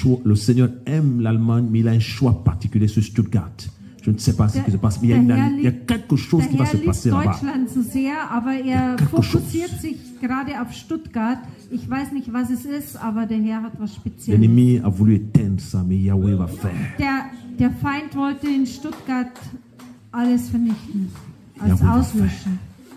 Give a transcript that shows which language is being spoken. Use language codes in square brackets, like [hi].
[fr] Le Seigneur aime l'Allemagne, mais il a un choix particulier sur Stuttgart. Je ne sais pas ce qui se passe, mais il y a quelque chose qui va se passer là-bas. [de] Deutschland so sehr, aber er fokussiert sich gerade auf Stuttgart. Ich weiß nicht, was es ist, aber der Herr hat was Spezielles. [fr] L'ennemi a voulu éteindre ça, mais Yahweh va faire. [de] Der Feind wollte in Stuttgart alles vernichten, als auslöschen.